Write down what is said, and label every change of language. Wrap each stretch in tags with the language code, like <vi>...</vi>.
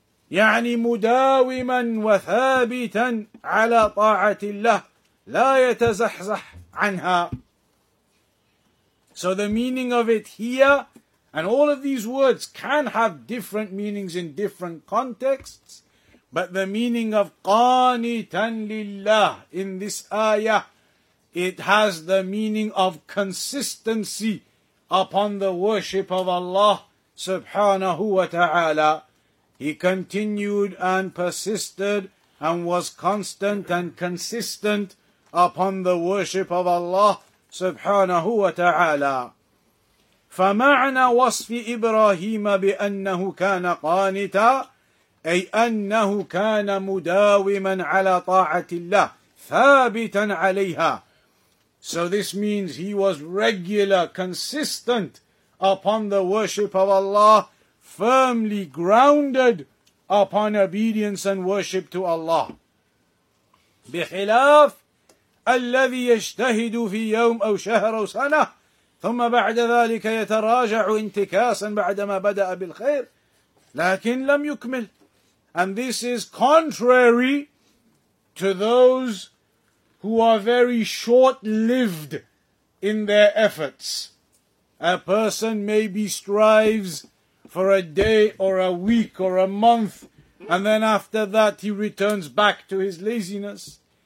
<ar>يعني مداوما وثابتا على طاعة الله لا يتزحزح عنها.</ar> <en>So the meaning of it here, and all of these words can have different meanings in different contexts, but the meaning of qanitan lillah in this ayah, it has the meaning of consistency upon the worship of Allah subhanahu wa ta'ala. He continued and persisted and was constant and consistent upon the worship of Allah subhanahu wa ta'ala.</en> <ar>فَمَعْنَى وَصْفِ إِبْرَاهِيمَ بِأَنَّهُ كَانَ قَانِتًا أي أنه كان مداوما على طاعة الله ثابتا عليها.</ar> <en>So this means he was regular, consistent upon the worship of Allah, firmly grounded upon obedience and worship to Allah.</en> <ar>بخلاف الذي يجتهد في يوم أو شهر أو سنة ثم بعد ذلك يتراجع انتكاسا بعدما بدأ بالخير لكن لم يكمل.</ar> <en>And this is contrary to those who are very short-lived in their efforts. A person maybe strives for a day or a week or a month, and then after that he returns back to his laziness.</en>